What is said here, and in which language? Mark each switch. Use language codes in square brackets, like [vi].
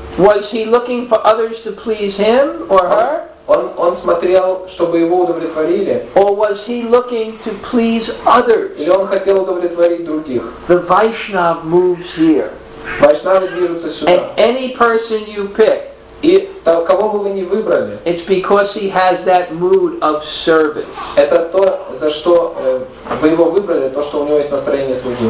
[en] was he looking for others to please him or her? [ru] Он смотрел, чтобы его удовлетворили. [en] Or was he looking to please others? [ru] Или он хотел удовлетворить других? [en] The Vaishnav moves here. [ru] Vaishnavы движутся сюда. [en] And any person you pick, [ru] и того, кого бы вы ни выбрали, [en] it's because he has that mood of service. [ru] Это то, за что вы его выбрали, то, что у него есть настроение служить.